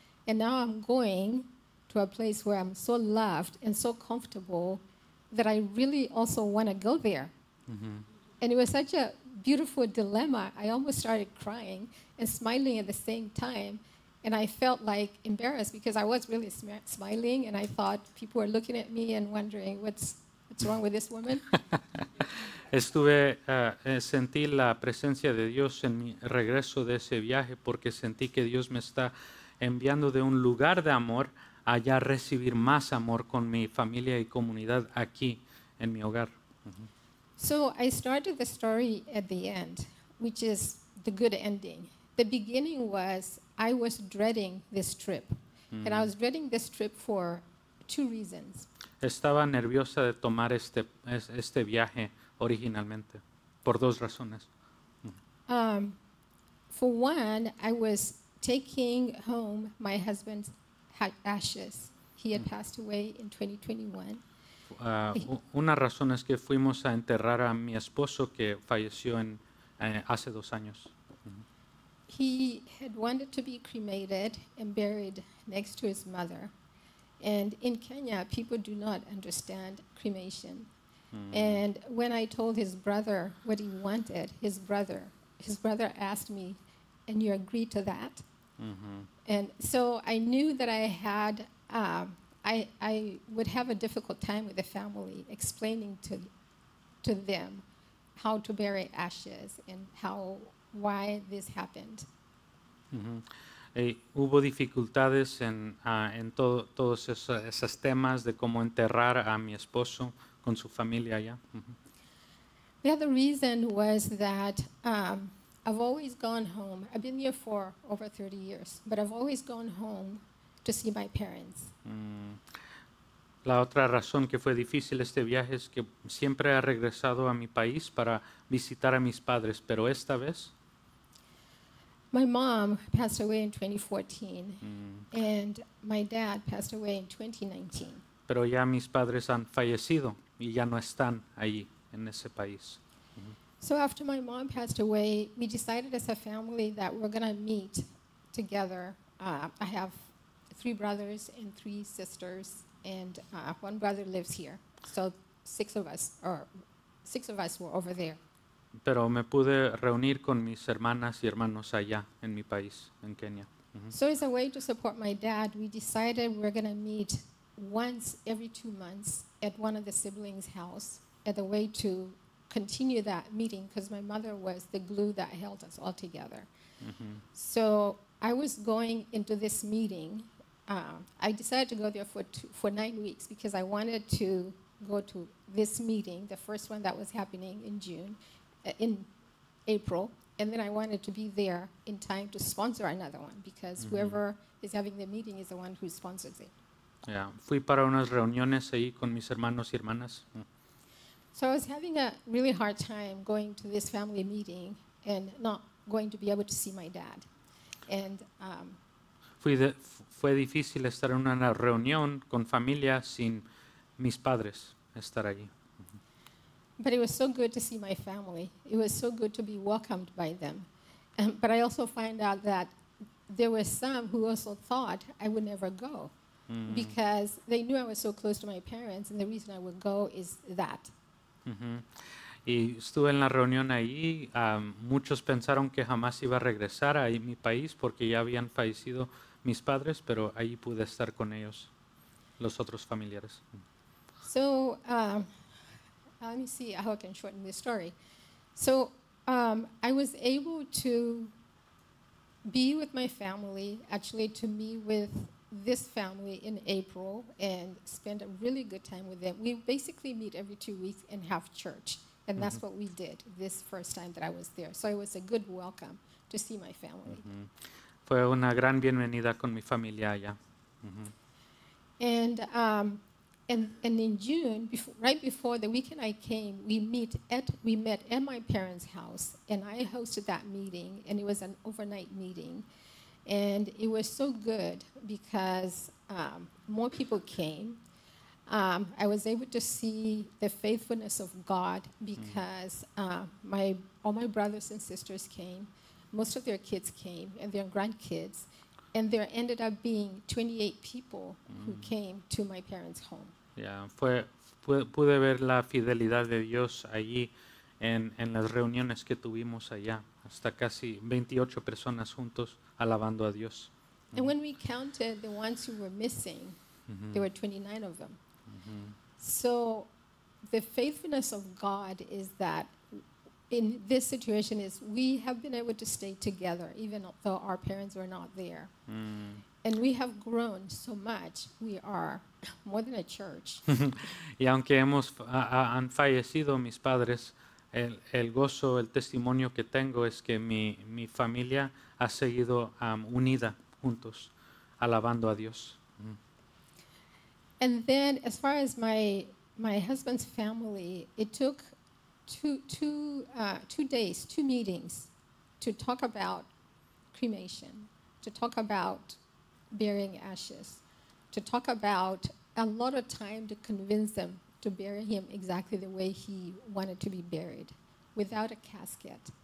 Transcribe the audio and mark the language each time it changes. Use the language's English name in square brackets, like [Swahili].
[English] And now I'm going to a place where I'm so loved and so comfortable that I really also want to go there. And it was such a beautiful dilemma. I almost started crying and smiling at the same time. And I felt like embarrassed because I was really smiling. And I thought people were looking at me and wondering what's wrong with this woman. [Spanish] Estuve, sentí la presencia de Dios en mi regreso de ese viaje porque sentí que Dios me está enviando de un lugar de amor allá recibir más amor con mi familia y comunidad aquí en mi hogar. [English] So I started the story at the end, which is the good ending. The beginning was I was dreading this trip. And I was dreading this trip for two reasons. [Spanish] Estaba nerviosa de tomar este viaje originalmente por dos razones. [English] For one, I was taking home my husband's ashes. He had passed away in 2021. [Spanish] Una razón es que fuimos a enterrar a mi esposo que falleció en hace 2 años. [English] He had wanted to be cremated and buried next to his mother. And in Kenya, people do not understand cremation. And when I told his brother what he wanted, his brother asked me, and you agree to that? And so I knew that I had, I would have a difficult time with the family explaining to them how to bury ashes and why this happened. [Spanish] Hubo dificultades en todos esos temas de cómo enterrar a mi esposo con su familia allá. [English] The other reason was that I've always gone home. I've been here for over 30 years, but I've always gone home to see my parents. [Spanish] La otra razón que fue difícil este viaje es que siempre he regresado a mi país para visitar a mis padres, pero esta vez... [English] My mom passed away in 2014, and my dad passed away in 2019. [Spanish] Pero ya mis padres han fallecido y ya no están ahí en ese país. [English] So after my mom passed away, we decided as a family that we're going to meet together. I have three brothers and three sisters, and one brother lives here. So six of us were over there. [Spanish] Pero me pude reunir con mis hermanas y hermanos allá en mi país, en Kenia. [English] So as a way to support my dad, we decided we're going to meet once every 2 months at one of the siblings' house as a way to continue that meeting, because my mother was the glue that held us all together. So I was going into this meeting. I decided to go there for 9 weeks because I wanted to go to this meeting, the first one that was happening in June, in April, and then I wanted to be there in time to sponsor another one, because whoever is having the meeting is the one who sponsors it. [Spanish] Yeah, fui para unas reuniones ahí con mis hermanos y hermanas. [English] So I was having a really hard time going to this family meeting and not going to be able to see my dad. And [Spanish] fue difícil estar en una reunión con familia sin mis padres estar allí. [English] But it was so good to see my family. It was so good to be welcomed by them. But I also find out that there were some who also thought I would never go because they knew I was so close to my parents, and the reason I would go is that. [Spanish] Y estuve en la reunión ahí. Muchos pensaron que jamás iba a regresar a mi país porque ya habían fallecido mis padres, pero ahí pude estar con ellos, los otros familiares. [English] So, let me see how I can shorten this story. So I was able to be with my family, actually to meet with this family in April and spend a really good time with them. We basically meet every 2 weeks and have church. And that's what we did this first time that I was there. So it was a good welcome to see my family. [Spanish] Fue una gran bienvenida con mi familia allá. [English] And in June, right before the weekend I came, we met at my parents' house, and I hosted that meeting, and it was an overnight meeting. And it was so good because more people came. I was able to see the faithfulness of God because all my brothers and sisters came. Most of their kids came and their grandkids. And there ended up being 28 people who came to my parents' home. [Spanish] Yeah, pude ver la fidelidad de Dios allí en las reuniones que tuvimos allá, hasta casi 28 personas juntos alabando a Dios. [English] And when we counted the ones who were missing, there were 29 of them. So the faithfulness of God is that in this situation is we have been able to stay together even though our parents were not there. And we have grown so much. We are more than a church. [Spanish] Y aunque han fallecido mis padres, el gozo, el testimonio que tengo es que mi familia ha seguido unida juntos, alabando a Dios. [English] And then, as far as my husband's family, it took two meetings to talk about cremation, to talk about burying ashes, to talk about a lot of time to convince them to bury him exactly the way he wanted to be buried, without a casket.